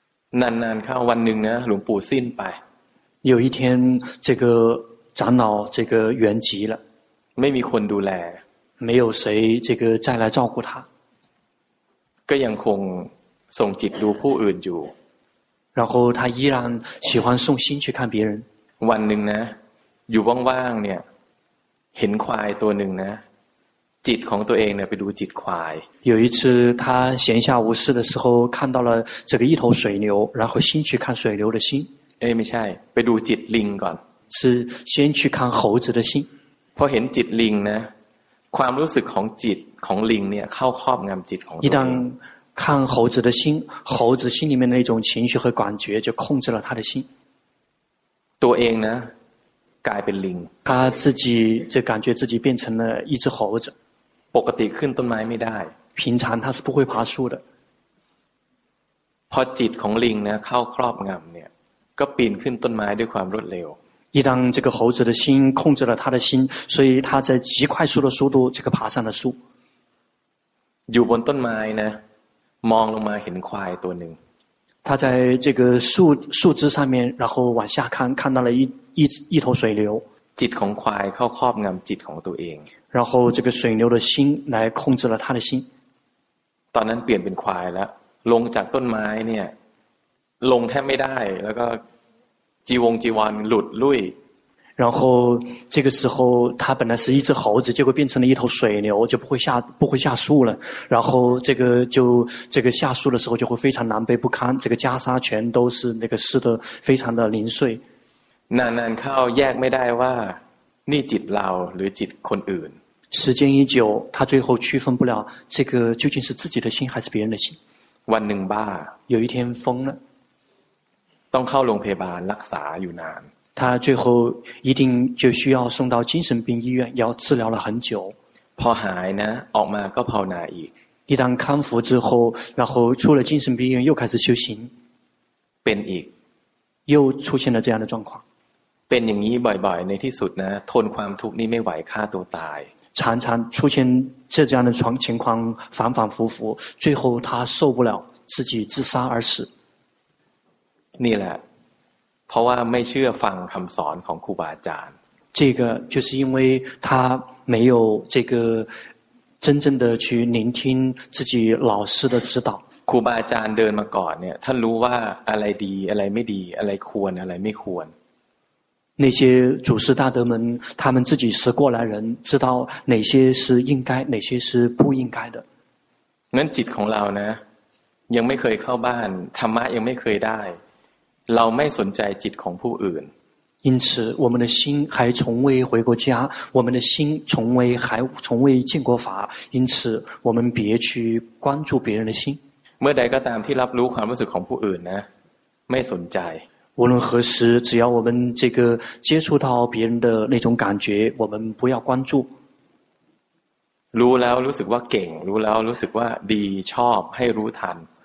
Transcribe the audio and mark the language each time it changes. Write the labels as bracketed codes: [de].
[th] นานๆเข้าวันหนึ่งนะหลวงปู่สิ้นไป [zh] 有一天这个长老这个圆寂了 [th] ไม่มีคนดูแล [zh] 没有谁这个再来照顾他 [th] ก็ยังคงส่งจิตดูผู้อื่นอยู่ [zh] 然后他依然喜欢送心去看别人 [th] วันหนึ่งนะอยู่ว่างๆเนี่ยเห็นควายตัวหนึ่งนะจิตของตัวเองเนี่ยไปดูจิตควาย [zh] 有一次他闲下无事的时候看到了这个一头水牛然后心去看水牛的心 [th] เอ้ไม่ใช่ไปดูจิตลิงก่อน [zh] 是先去看猴子的心 [th] พอเห็นจิตลิงนะความรู้สึกของจิตของลิงเนี่ยเข้าครอบงำจิตของ [zh] 一旦看猴子的心猴子心里面的那种情绪和感觉就控制了他的心 [th] ตัวเองนะกลายเป็นลิง [zh] 他自己就感觉自己变成了一只猴子 [th] ปกติขึ้นต้นไม้ไม่ได้ [zh] 平常他是不会爬树的 [th] พอจิตของลิงนะเข้าครอบงำเนี่ยก็ปีนขึ้นต้นไม้ด้วยความรวดเร็ว [zh] 一旦这个猴子的心控制了他的心所以他在极快速的速度这个爬上了树 [th] อยู่บนต้นไม้นะมองลงมาเห็นควายตัวหนึ่ง [zh] 他在这个树枝上面然后往下看看到了一头水牛 [th] จิตของควายเข้าครอบงำจิตของตัวเอง [zh] 然后这个水牛的心来控制了他的心 [th] ตอนนั้นเปลี่ยนเป็นควายแล้วลงจากต้นไม้เนี่ยลงแทบไม่ได้แล้วก็จีวงจีวันหลุดลุย [zh] 然后这个时候他本来是一只猴子结果变成了一头水牛就不会下树了然后这个下树的时候就会非常狼狈不堪这个袈裟全都是那个湿的非常的零碎 [th] นานๆเข้าแยกไม่ได้ว่านี่จิตเราหรือจิตคนอื่น [zh] 时间一久他最后区分不了这个究竟是自己的心还是别人的心 [th] วันหนึ่งบ้า [zh] 有一天疯了 [th] ต้องเข้าโรงพยาบาลรักษาอยู่นาน [zh] 他最后一定就需要送到精神病医院要治疗了很久 [th] พอหายนะออกมาก็ภาวนาอีก [zh] 一旦康复之后然后出了精神病医院又开始修行 [th] เป็นอีก [zh] 又出现了这样的状况 [th] เป็นอย่างนี้บ่อยๆในที่สุดนะทนความทุกข์นี้ไม่ไหวฆ่าตัวตาย [zh] 常常出现这样的情况反反复复最后他受不了自己自杀而死 [th] นี่แหละเพราะว่าไม่เชื่อฟังคำสอนของครูบาอาจารย์ [zh] 这个就是因为他没有这个真正的去聆听自己老师的指导 [th] ครูบาอาจารย์เดินมาก่อนเนี่ยท่านรู้ว่าอะไรดีอะไรไม่ดีอะไรควรอะไรไม่ควร [zh] 那些祖师大德们他们自己是过来人知道哪些是应该哪些是不应该的 [th] งั้นจิตของเรานะยังไม่เคยเข้าบ้านธรรมะยังไม่เคยได้เราไม่สนใจจิตของผู้อื่น [zh] 因此我们的心还从未回过家我们的心从未见过法因此我们别去关注别人的心 [th] เมื่อใดก็ตามที่รับรู้ความรู้สึกของผู้อื่นนะไม่สนใจ [zh] 无论何时只要我们这个接触到别人的那种感觉我们不要关注 [th] รู้แล้วรู้สึกว่าเก่งรู้แล้วรู้สึกว่าดีชอบให้รู้ทัน